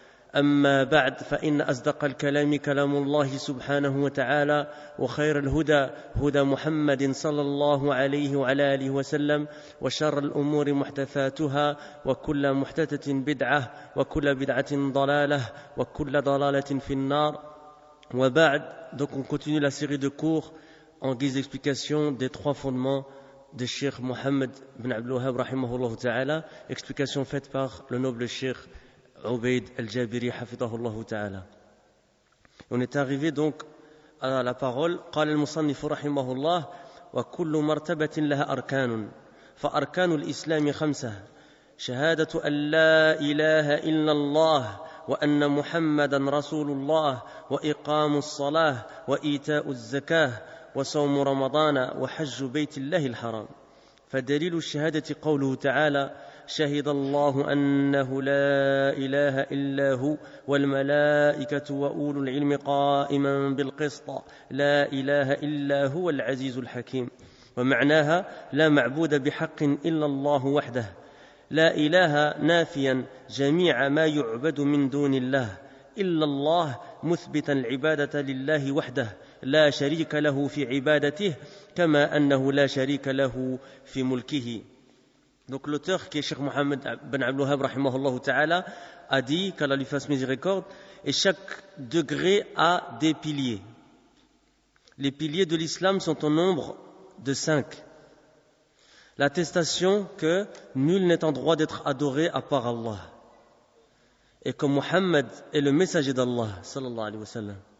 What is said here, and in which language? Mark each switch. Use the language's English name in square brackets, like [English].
[Arabic] أما بعد، فإن أصدق الكلام كلام الله سبحانه وتعالى، وخير الهدى هدى محمد صلى الله عليه وعلى آله وسلم، وشر الأمور محدثاتها، وكل محدثة بدعة، وكل بدعة ضلالة، وكل ضلالة في النار. [French] وبعد، donc on continue la série de cours en guise d'explication des trois fondements de Sheikh Mohammed bin Abdul Wahhab rahimahullah ta'ala, explication faite par le noble Sheikh Ubayd al-Jabiri hafidhahullahu ta'ala. On est arrivé donc à la parole. [Arabic] قال المصنف رحمه الله وكل مرتبة لها أركان فأركان الإسلام خمسة: شهادة أن لا إله إلا الله وأن محمدا رسول الله وإقام الصلاة وإيتاء الزكاة وصوم رمضان وحج بيت الله الحرام. فدليل الشهادة قوله تعالى: شهد الله أنه لا إله إلا هو والملائكة وأولو العلم قائما بالقسط لا إله إلا هو العزيز الحكيم. ومعناها: لا معبود بحق إلا الله وحده. لا إله نافيا جميع ما يعبد من دون الله، إلا الله مثبتا العبادة لله وحده لا شريك له في عبادته، كما أنه لا شريك له في ملكه. [French] Donc l'auteur, qui est Cheikh Mohammed ben Abdul Wahhab rahimahullah ta'ala, a dit, qu'Allah lui fasse miséricorde, et chaque degré a des piliers. Les piliers de l'islam sont au nombre de 5. L'attestation que nul n'est en droit d'être adoré à part Allah, et que Mohammed est le messager d'Allah, sallallahu alayhi wa sallam.